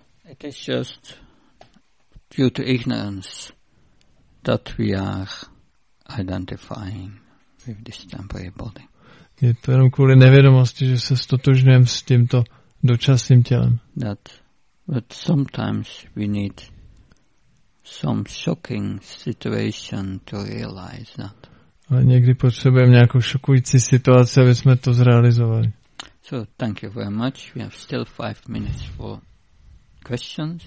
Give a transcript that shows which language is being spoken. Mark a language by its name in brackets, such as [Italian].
[English] It is just due to ignorance that we are identifying with this temporary body. [Czech] Je to jenom kvůli nevědomosti, že se stotožňujeme s tímto dočasným tělem. [English] But sometimes we need some shocking situation to realize that. [Czech] A někdy potřebujeme nějakou šokující situaci, aby jsme to zrealizovali. [English] So thank you very much. We have still 5 minutes for questions.